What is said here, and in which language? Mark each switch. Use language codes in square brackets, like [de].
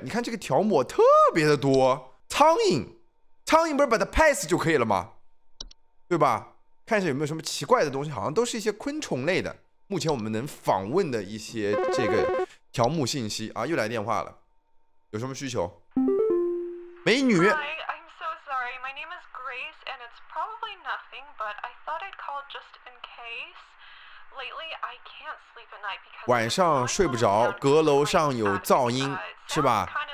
[zh] 你看这个条目特别的多，苍蝇不是把它拍死就可以了吗？对吧？看一下有没有什么奇怪的东西，好像都是一些昆虫类的。目前我们能访问的一些这个条目信息啊，又来电话了，有什么需求？美女。 [en] Hi, I'm so sorry. My name is Grace, and it's probably nothing, but I thought I'd call just in case. Lately, I can't sleep at night because [zh] 晚上睡不着，阁楼上有噪音，是吧？